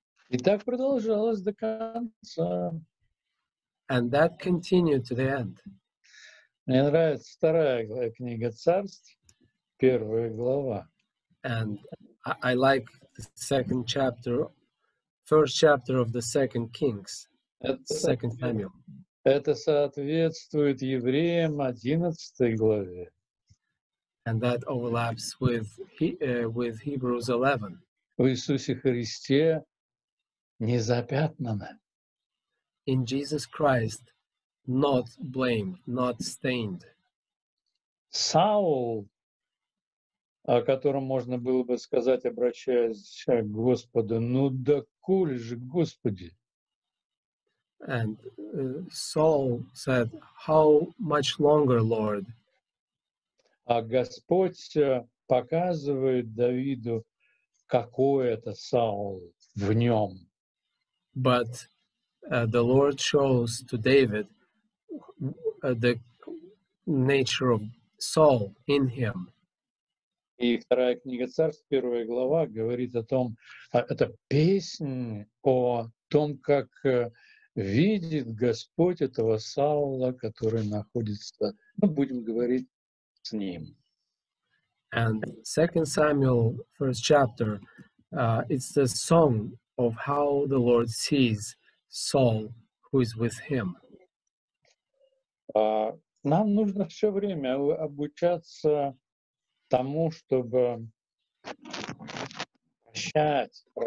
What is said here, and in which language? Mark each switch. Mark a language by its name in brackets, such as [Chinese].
[Russian] И так продолжалось до конца. [English] And that continued to the end. [Russian] Мне нравится вторая книга царств. первая глава. [English] And I like the second chapter, first chapter of the second Kings, second Samuel. [Russian] Это соответствует евреям 11 главе. [English] And that overlaps with Hebrews 11. [Russian] В Иисусе Христе незапятнанно. [English] In Jesus Christ, not blamed, not stained. [Russian] Саул, о котором можно было бы сказать, обращаясь к Господу, ну да коль же, Господи? [English] And Saul said, how much longer, Lord? [Russian] А Господь показывает Давиду, какой это Саул в нем. [English] But the Lord shows to David the nature of Saul in him. [Russian] И вторая книга Царств, первая глава, говорит о том, это песнь о том, как видит Господь этого Саула, который находится, ну, будем говорить, с ним. [English] And 2 Samuel, first chapter, it's the song of how the Lord sees Saul, who is with him. [Russian] Нам нужно все время обучаться тому, чтобы прощать.